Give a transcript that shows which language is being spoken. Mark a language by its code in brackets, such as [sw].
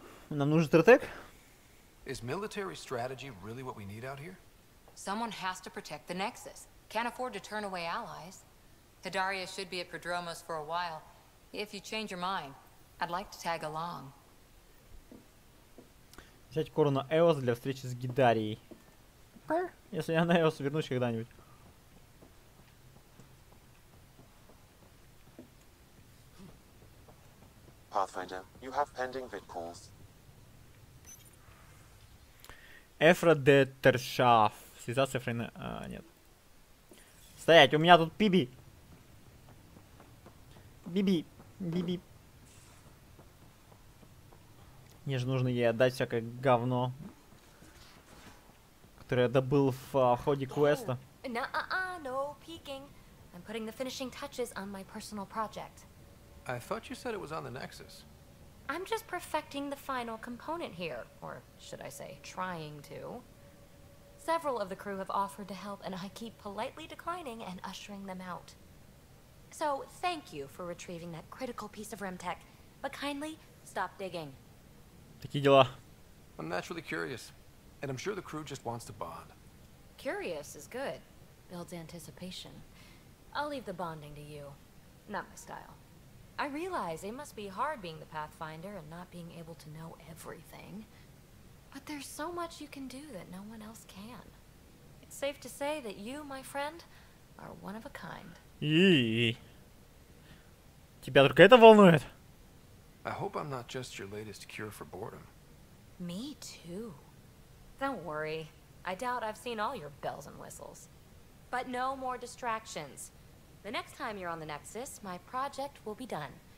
[ru] Нам нужен стратег? [en] Is military strategy really what we need out here? Someone has to protect the Nexus. Can't afford to turn away allies. Hidaria should be at Prodromos for a while. If you change your mind, I'd like to tag along. [ru] Взять кору на Эос для встречи с Гидарией. Если я на Эос вернусь когда-нибудь. [en] Pathfinder, you have pending vid calls. [ru] Эфра де Тершаф. Связаться с Эфрой на... А, нет. Стоять, у меня тут Биби. Биби. Мне же нужно ей отдать всякое говно, которое я добыл в ходе квеста. [en] No peeking. I'm putting the finishing touches on my personal project. I thought you said it was on the Nexus. I'm just perfecting the final component here, or should I say, trying to. Several of the crew have offered to help, and I keep politely declining and ushering them out. So thank you for retrieving that critical piece of Remtech, but kindly stop digging. [ru] Такие дела. [en] I'm naturally curious, and I'm sure the crew just wants to bond. Curious is good. Builds anticipation. I'll leave the bonding to you. Not my style. I realize it must be hard being the Pathfinder and not being able to know everything. But there's so much you can do that no one else can. It's safe to say that you, my friend, are one of a kind. [ru] Тебя только это волнует? [en] I hope I'm not just your latest cure for boredom. Me too. Don't worry. I doubt I've seen all your bells and whistles. But no more distractions. The next time you're on the Nexus, my project will be done.